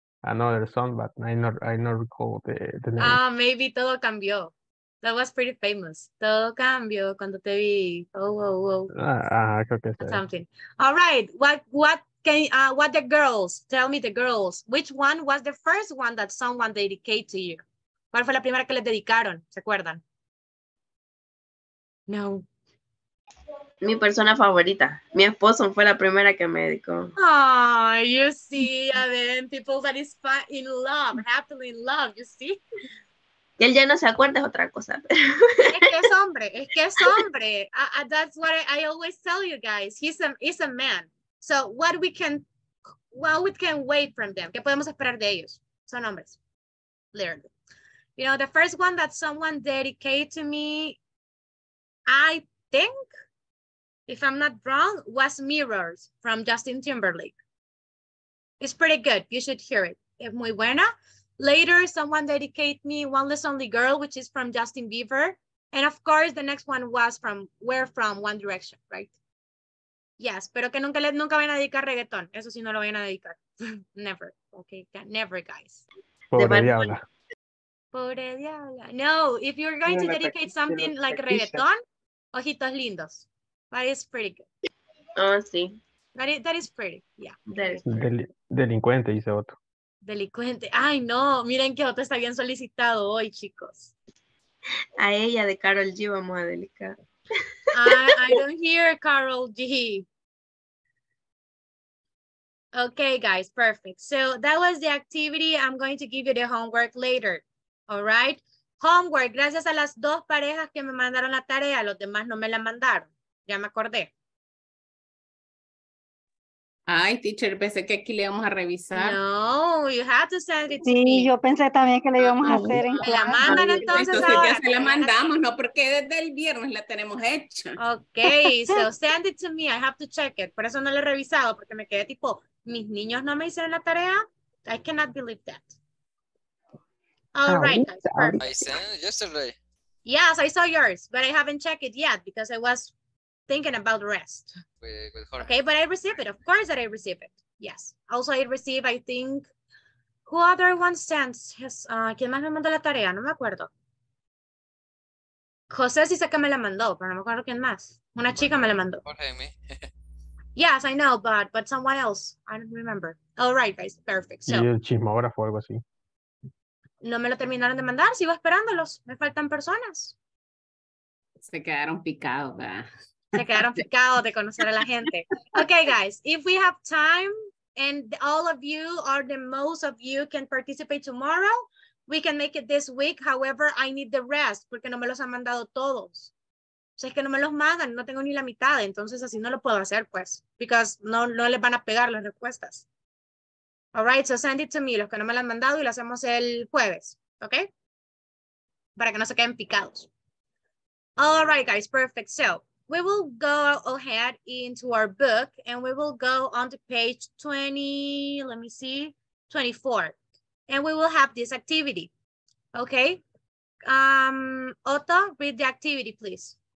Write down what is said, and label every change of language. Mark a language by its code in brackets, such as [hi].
[en] Another song, but I not recall the name. Ah, maybe todo cambió. That was pretty famous. [es] Todo cambio cuando te vi. Oh, whoa, whoa. Creo que [en] something. All right. What Can what the girls? Tell me the girls. Which one was the first one that someone dedicated to you? [es] ¿Cuál fue la primera que les dedicaron? ¿Se acuerdan? No. Mi persona favorita. Mi esposo fue la primera que me dedicó. [en] Oh, you see, Aden, people that is in love, happily in love, you see? [es] Y él ya no se acuerda, es otra cosa. Es que es hombre. [en] That's what I always tell you guys. He's a man. So what we can wait from them? [es] ¿Qué podemos esperar de ellos? Son hombres. Literally. [en] You know, the first one that someone dedicated to me, I think, if I'm not wrong, was Mirrors from Justin Timberlake. It's pretty good. You should hear it. [es] Es muy buena. [en] Later, someone dedicated me One Less Only Girl, which is from Justin Bieber. And of course, the next one was from Where From One Direction, right? [es] Yes, pero que nunca vayan a dedicar reggaeton. Eso sí, no lo vayan a dedicar. [en] Never, okay? Never, guys. [es] Pobre diabla. Pobre diabla. [en] No, if you're going to dedicate something like reggaeton, Ojitos Lindos. That is pretty good. [es] Oh, sí. [en] That is pretty, yeah. [es] Delincuente, dice Otto. Delincuente. Ay, no. Miren que Otto está bien solicitado hoy, chicos. A ella de Karol G vamos a dedicar. [en] I don't hear Karol G. Okay, guys, perfect. So that was the activity. I'm going to give you the homework later. All right? Homework. [es] Gracias a las dos parejas que me mandaron la tarea. Los demás no me la mandaron. Ya me acordé. Ay, teacher, pensé que aquí le íbamos a revisar. [en] No, you have to send it to [es] sí, [en] me. [es] Sí, yo pensé también que le íbamos a hacer en clase. La mandan entonces, entonces ahora. Ya se la mandamos, ¿no? Porque desde el viernes la tenemos hecha. [en] Ok, so send it to me. I have to check it. [es] Por eso no la he revisado, porque me quedé tipo, mis niños no me hicieron la tarea. [en] I cannot believe that. All right. I sent it yesterday. Yes, I saw yours, but I haven't checked it yet because I was thinking about the rest. With okay, but I receive it. Of course that I receive it. Yes. Also, I receive, I think, who other one sends? [es] Yes. ¿Quién más me mandó la tarea? No me acuerdo. José sí sé que me la mandó, pero no me acuerdo quién más. Una chica me la mandó. Jorge, me. [en] Yes, I know, but someone else. I don't remember. All right, guys. Perfect. So, [es] ¿y el chismógrafo o algo así? ¿No me lo terminaron de mandar? Sigo esperándolos. Me faltan personas. Se quedaron picados, ¿verdad? Se quedaron picados de conocer a la gente. [en] Okay, guys, if we have time and all of you or the most of you can participate tomorrow, we can make it this week. However, I need the rest [es] porque no me los han mandado todos. O sea, es que no me los mandan, no tengo ni la mitad. Entonces, así no lo puedo hacer, pues, because no les van a pegar las respuestas. [en] All right, so send it to me, [es] los que no me lo han mandado, y lo hacemos el jueves, okay? Para que no se queden picados. [en] All right, guys, perfect. So, we will go ahead into our book and we will go on to page 20, let me see, 24. And we will have this activity, okay? Otto, read the activity, please.